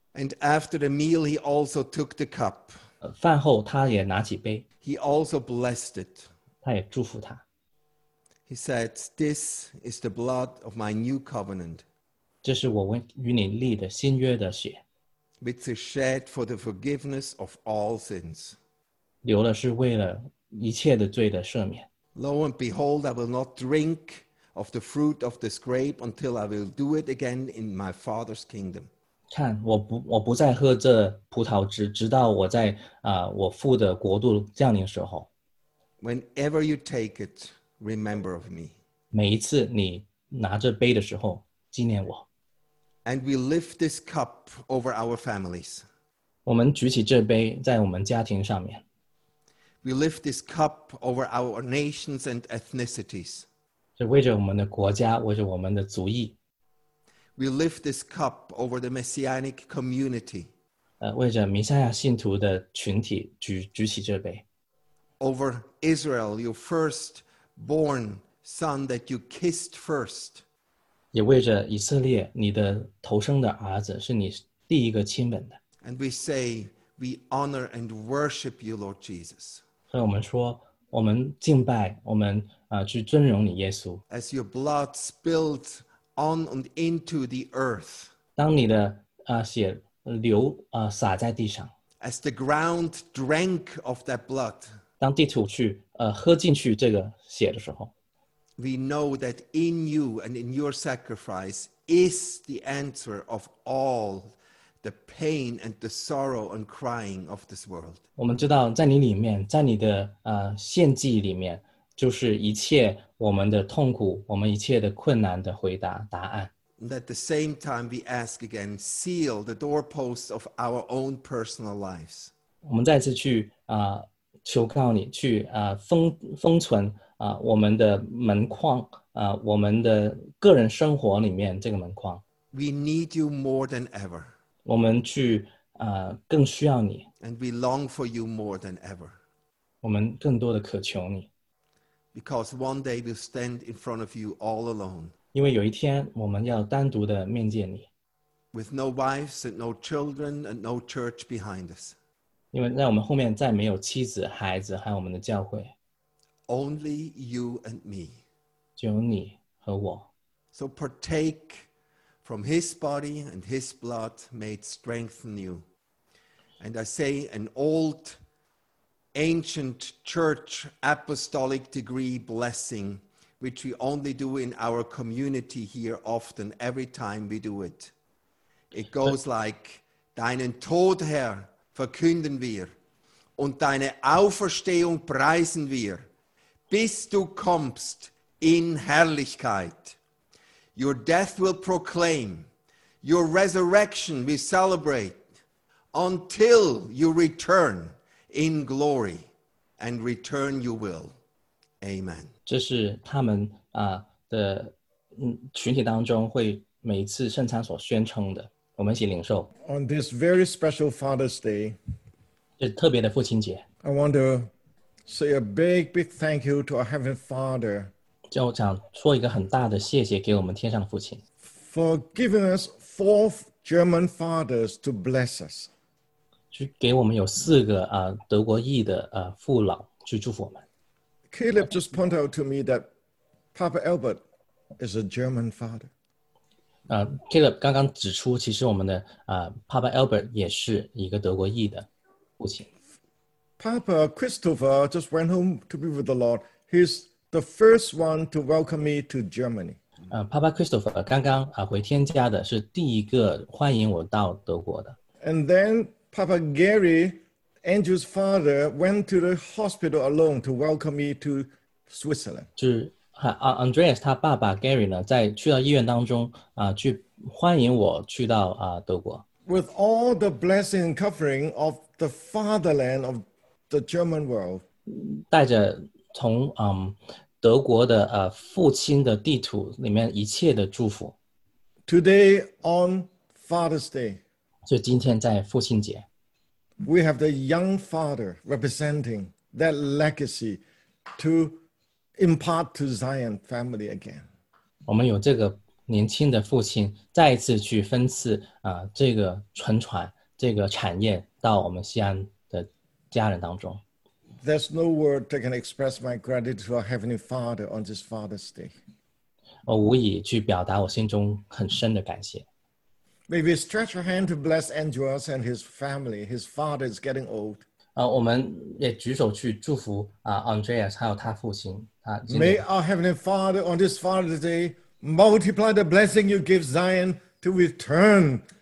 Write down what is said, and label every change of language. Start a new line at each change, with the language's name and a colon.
English: And after the meal, he also took the cup.
Chinese: 饭后他也拿起杯。
English: He also blessed it.
Chinese: 他也祝福他。
English: He said, "This is the blood of my new covenant."
Chinese: 这是我与你立的新约的血。
English: Which is shed for the forgiveness of all sins.
Chinese: 流了是为了一切的罪的赦免。
English: Lo and behold, I will not drink of the fruit of this grape until I will do it again in my Father's kingdom.
Chinese: 看，我不再喝这葡萄汁，直到我在我父的国度降临时候。
English: Whenever you take it, remember of me.
Chinese: 每一次你拿着杯的时候，纪念我。
English: And we lift this cup over our families.
Chinese: 我们举起这杯在我们家庭上面。
English: We lift this cup over our nations and ethnicities.
Chinese: 这为着我们的国家，为着我们的族裔。
English: We lift this cup over the messianic community.
Chinese: 为着弥赛亚信徒的群体举起这杯。
English: Over Israel, your firstborn son that you kissed first.
Chinese: 也为着以色列，你的头生的儿子是你第一个亲吻的。
English: And we say, we honor and worship you, Lord Jesus.
Chinese: 所以我们说，我们敬拜，我们去尊荣你耶稣。
English: As your blood spilled on and into the earth.
Chinese: 当你的血流洒在地上。
English: As the ground drank of that blood.
Chinese: 当地土去喝进去这个血的时候。
English: We know that in you and in your sacrifice is the answer of all the pain and the sorrow and crying of this world.
Chinese: 我们知道在你里面，在你的献祭里面，就是一切我们的痛苦，我们一切的困难的回答答案。
English: At the same time, we ask again, seal the doorposts of our own personal lives.
Chinese: 我们再次去求告你，去封存我们的门框我们的个人生活里面这个门框。
English: We need you more than ever.
Chinese: 我们去更需要你。
English: And we long for you more than ever.
Chinese: 我们更多的渴求你。
English: Because one day we'll stand in front of you all alone.
Chinese: 因为有一天我们要单独的面见你。
English: With no wives and no children and no church behind us.
Chinese: 因为在我们后面再没有妻子、孩子还有我们的教会。
English: Only you and me.
Chinese: 只有你和我。
English: So partake from his body and his blood made strengthen you. And I say an old ancient church apostolic degree blessing, which we only do in our community here often, every time we do it. It goes like,
German: Deinen Tod, Herr, verkünden wir, und deine Auferstehung preisen wir, bis du kommst in Herrlichkeit.
English: Your death will proclaim, your resurrection we celebrate, until you return. In glory, and return you will. Amen.
Chinese: 这是他们的群体当中会每一次圣餐所宣称的，我们一起领受。
English: On this very special Father's Day,
Chinese: 这特别的父亲节。
English: I want to say a big, big thank you to our Heavenly Father.
Chinese: 就想说一个很大的谢谢给我们天上的父亲。
English: For giving us four German fathers to bless us.
Chinese: 去给我们有四个德国裔的父老去祝福我们。
English: Caleb just pointed out to me that Papa Albert is a German father.
Chinese: Caleb 刚刚指出，其实我们的Papa Albert 也是一个德国裔的父亲。
English: Papa Christopher just went home to be with the Lord. He's the first one to welcome me to Germany.
Chinese: Papa Christopher 刚刚回天家的是第一个欢迎我到德国的。
English: And then. Papa Gary, Andrew's father, went to the hospital alone to welcome me to Switzerland.
Chinese: 就是Andreas 他爸爸 Gary 呢，在去到医院当中去欢迎我去到德国。
English: With all the blessing and covering of the fatherland of the German world.
Chinese: 带着从德国的父亲的地图里面一切的祝福。
English: Today on Father's Day.
Chinese: 就今天在父亲节。
English: We have the young father representing that legacy to impart to Zion family again.
Chinese: 我们有这个年轻的父亲再一次去分赐这个传传这个产业到我们西安的家人当中。
English: There's no word that can express my gratitude to our Heavenly Father on this Father's Day.
Chinese: 我无以去表达我心中很深的感谢。
English: May we stretch our hand to bless Andreas and his family. His father is getting old.
Chinese: 我们也举手去祝福Andreas 还有他父亲。
English: May our Heavenly Father on this Father's Day multiply the blessing you give Zion to return